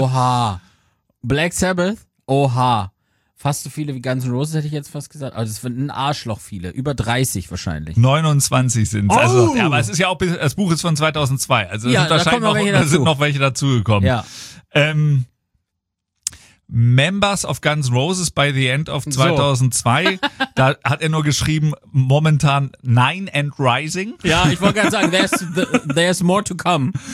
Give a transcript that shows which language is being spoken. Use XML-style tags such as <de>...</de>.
<de>Oha. Black Sabbath? Oha. Fast so viele wie Guns N' Roses, hätte ich jetzt fast gesagt. Also es sind ein Arschloch viele. Über 30 wahrscheinlich. 29 sind es. Oh. Also, ja, aber es ist ja auch, das Buch ist von 2002. Also es sind wahrscheinlich noch welche dazugekommen. Ja.</de> <en>Members of Guns N' Roses by the end of 2002, so.</en> <de>Da hat er nur geschrieben, momentan</de> <en>9 and rising.</en> <de>Ja, ich wollte gerade sagen,</de> <en>there's more to come.</en>